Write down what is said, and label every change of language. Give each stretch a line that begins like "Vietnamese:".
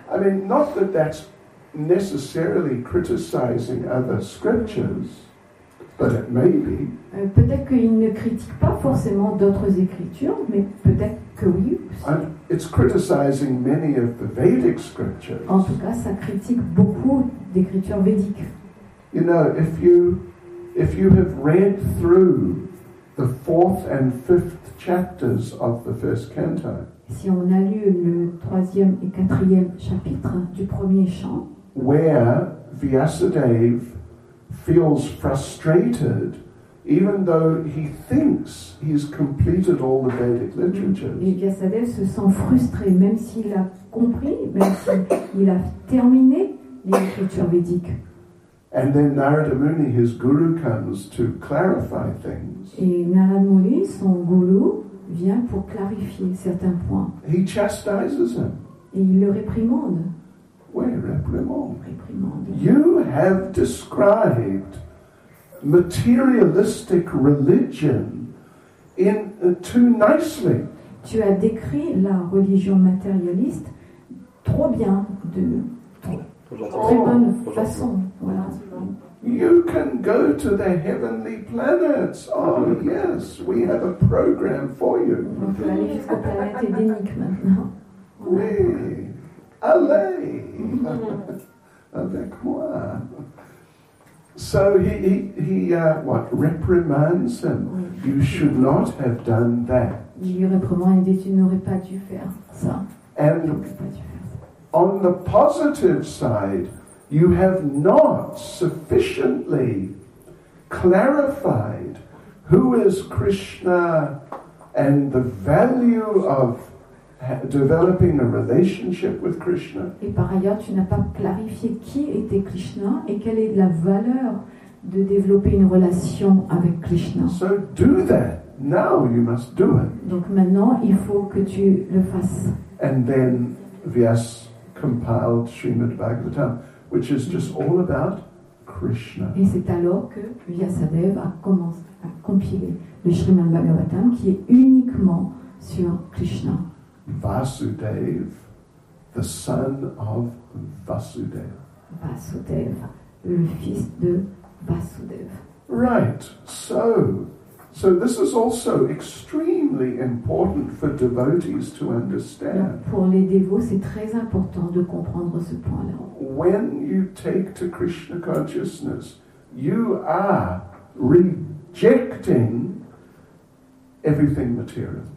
English: I mean, not that that's necessarily criticizing other scriptures, but it may be.
French: Peut-être qu'il ne critique pas forcément d'autres écritures, mais peut-être que oui.
English: And it's criticizing many of the Vedic scriptures.
French: En tout cas, ça critique beaucoup d'écritures védiques.
English: You know, if you have read through the fourth and fifth chapters of the first canto.
French: Si on a lu le troisième et quatrième chapitre du premier chant,
English: where Vyasadeva feels frustrated, even though he thinks he's completed all the Vedic literatures.
French: Et Vyasadeva se sent frustré, même s'il a compris, même s'il a terminé les écritures védiques.
English: And then Narada Muni, his guru, comes to clarify things.
French: Et Narada Muni, son gourou, vient pour clarifier certains points.
English: He chastises him.
French: Et il le réprimande. Oui, réprimande. Réprimande.
English: You have described materialistic religion in too nicely.
French: Tu as décrit la religion matérialiste trop bien, de très bonne façon. Voilà.
English: You can go to the heavenly planets. Oh yes, we have a program for you.
French: On peut aller jusqu'aux planètes édéniques maintenant. Oui, allez, avec moi.
English: So he reprimands him. You should not have done that.
French: Il lui reprend et dit tu n'aurais pas dû faire ça.
English: And on the positive side, you have not sufficiently clarified who is Krishna and the value of developing a relationship with Krishna.
French: Et par ailleurs, tu n'as pas clarifié qui était Krishna et quelle est la valeur de développer une relation avec Krishna.
English: So do that. Now you must do it.
French: Donc maintenant, il faut que tu le fasses.
English: And then Vyas compiled Srimad Bhagavatam, which is just all about Krishna.
French: Et c'est alors que Vyasadeva commence à compiler le Srimad Bhagavatam qui est uniquement sur Krishna.
English: Vasudev, the son of Vasudeva.
French: Vasudeva, le fils de Vasudeva.
English: Right. So this is also extremely important for devotees to understand.
French: Pour les dévots, c'est très important de comprendre ce point-là.
English: When you take to Krishna consciousness, you are rejecting everything material.